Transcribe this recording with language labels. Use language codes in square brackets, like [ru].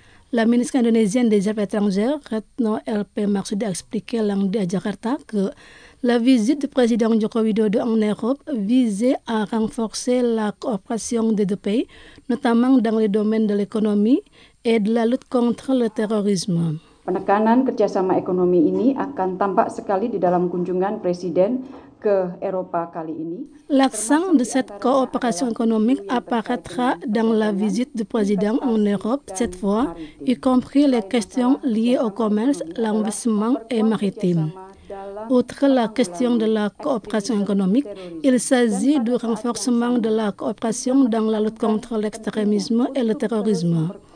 [fr] La ministre indonésienne des Affaires étrangères, Retno LP Marsudi, a expliqué lundi à Jakarta que la visite du président Joko Widodo en Europe visait à renforcer la coopération des deux pays, notamment dans les domaines de l'économie et de la lutte contre le terrorisme. [id] Penekanan kerjasama ekonomi ini akan tampak sekali di dalam kunjungan presiden ke Eropa kali ini. [fr] L'accent de cette coopération économique apparaîtra dans la visite du président en Europe cette fois, y compris les questions liées au commerce, l'investissement et maritime. Outre la question de la coopération économique, il s'agit du renforcement de la coopération dans la lutte contre l'extrémisme et le terrorisme.